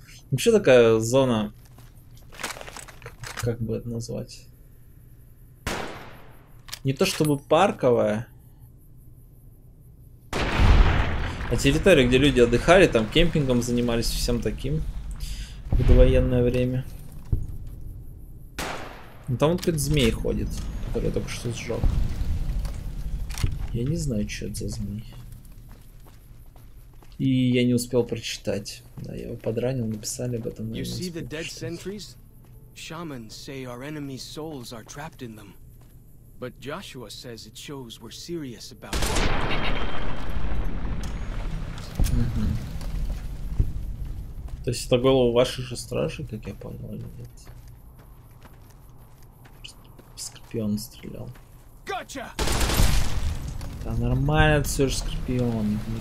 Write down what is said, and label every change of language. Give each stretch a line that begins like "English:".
Russian: Вообще такая зона, как бы это назвать, не то чтобы парковая, а территория, где люди отдыхали, там кемпингом занимались, всем таким в довоенное время. Но там вот какой-то змей ходит, который я только что сжег. Я не знаю, что это за змей. И я не успел прочитать. Да, я его подранил, написали об этом.
English: You see the dead sentries? Shamans say our enemies' souls are trapped in them. But Joshua says it shows we're serious about it.
Russian: То есть это голову вашей же стражи, как я понял, или нет? Скорпион стрелял.
English: Gotcha!
Russian: Да нормально, это все же скорпион.